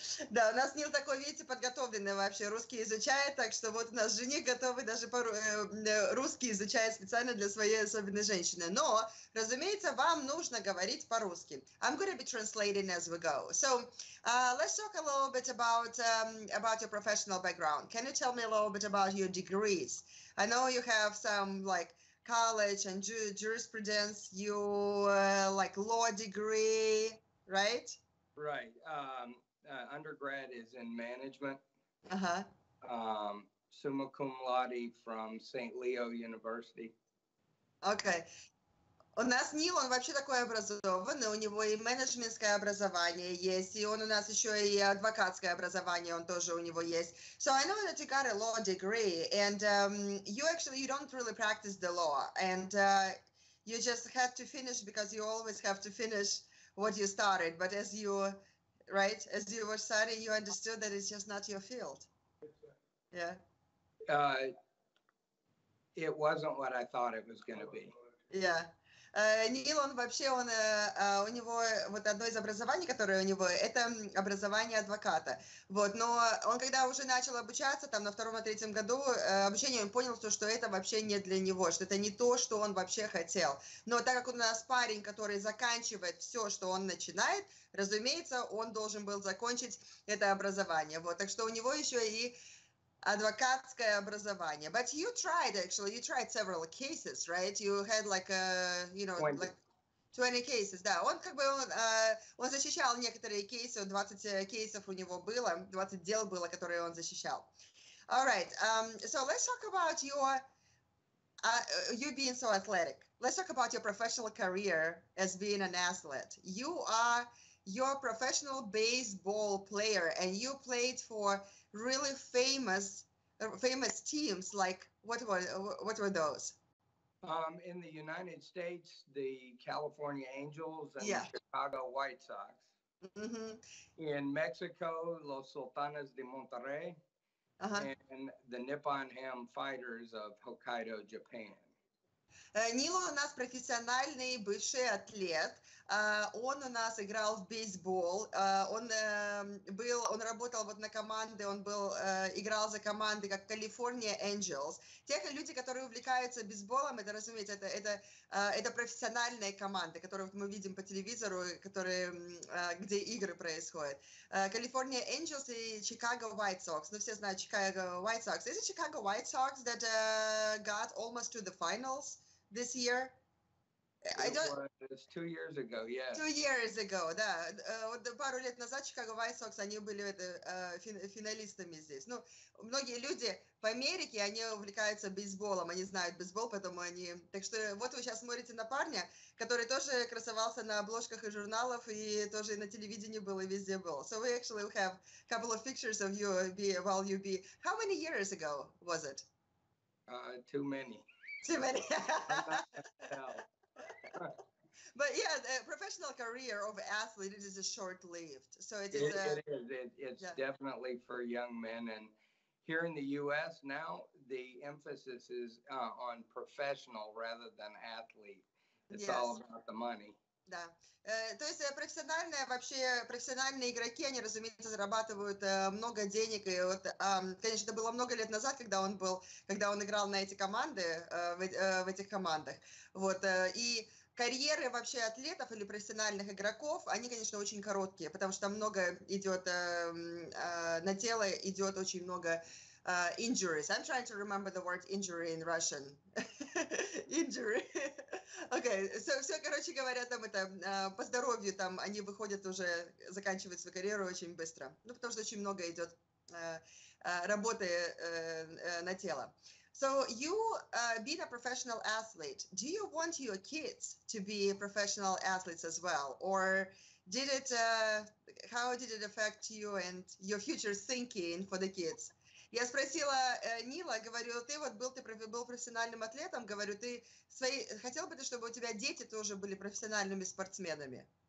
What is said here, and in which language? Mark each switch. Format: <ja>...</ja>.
<ru>Да, у нас Нил такой, видите, подготовленный вообще, русский изучает, так что вот у нас жених готовый даже по-русски изучает специально для своей особенной женщины. Но, разумеется, вам нужно говорить по-русски.</ru> <en>I'm going to be translating as we go. So, let's talk a little bit about your professional background. Can you tell me a little bit about your degrees? I know you have some, like, college and jurisprudence, your, like, law degree, right? Right. Undergrad is in management. Uh-huh. Summa cum laude from St. Leo University. Okay.</en> <ru>У нас Нил, он вообще такой образованный, у него и менеджментское образование есть, и он у нас еще и адвокатское образование, он тоже у него есть.</ru> <en>So I know that you got a law degree, and you don't really practice the law, and you just had to finish because you always have to finish what you started, but as you were studying, you understood that it's just not your field. Yeah. It wasn't what I thought it was going to be. Yeah.</en> <ru>Нил, он вообще, он, у него вот одно из образований, которое у него, это образование адвоката. Вот, но он когда уже начал обучаться, там на втором, на третьем году обучения, он понял, что это вообще не для него, что это не то, что он вообще хотел. Но так как у нас парень, который заканчивает все, что он начинает, разумеется, он должен был закончить это образование. Вот, так что у него еще и адвокатское образование.</ru> <en>But you tried several cases, right? You had like, you know, 20. Like 20 cases, да.</en> <ru>Он как бы, он защищал некоторые кейсы, 20 кейсов у него было, 20 дел было, которые он защищал.</ru> <en>All right, so let's talk about you being so athletic. Let's talk about your professional career as being an athlete. You're a professional baseball player, and you played for really famous teams. Like what were those? In the United States, the California Angels and yeah. The Chicago White Sox. Mm-hmm. In Mexico, Los Sultanes de Monterrey, uh-huh. And the Nippon Ham Fighters of Hokkaido, Japan.</en> <ru>Нил у нас профессиональный бывший атлет, он у нас играл в бейсбол, он работал вот на команды, он был, играл за команды, как California Angels. Те люди, которые увлекаются бейсболом, это, разумеется, это профессиональные команды, которые вот мы видим по телевизору, где игры происходят. California Angels и Chicago White Sox, ну все знают Chicago White Sox.</ru> <en>Is it Chicago White Sox that got almost to the finals? This year? It was 2 years ago, yes. 2 years ago, да.</en> <ru>Вот пару лет назад Chicago White Sox, они были финалистами здесь. Ну, многие люди в Америке, они увлекаются бейсболом, они знают бейсбол, поэтому они... Так что вот вы сейчас смотрите на парня, который тоже красовался на обложках и журналов, и тоже на телевидении был, и везде был.</ru> <en>So we actually have a couple of pictures of you while you be... How many years ago was it? Too many. Too many. I'm not But yeah, the professional career of an athlete is a short-lived. So it is. It's definitely for young men. And here in the U.S. now, the emphasis is on professional rather than athlete. It's all about the money.</en> <ru>Да. То есть профессиональные, вообще профессиональные игроки, они, разумеется, зарабатывают много денег. И вот, конечно, это было много лет назад, когда он играл на эти команды, в этих командах. Вот. И карьеры вообще атлетов или профессиональных игроков, они, конечно, очень короткие, потому что много идет на тело, идет очень много injuries.</ru> <en>I'm trying to remember the word injury in Russian. Injury. Okay, so,</en> <ru>все, короче говоря, там это по здоровью, там они выходят уже, заканчивают свою карьеру очень быстро. Ну, потому что очень много идет работы на тело.</ru> <en>So you being a professional athlete, do you want your kids to be professional athletes as well? Or did it, how did it affect you and your future thinking for the kids?</en> <ru>Я спросила Нила, говорю, ты вот был профессиональным атлетом, говорю, ты свои, хотел бы ты, чтобы у тебя дети тоже были профессиональными спортсменами?</ru>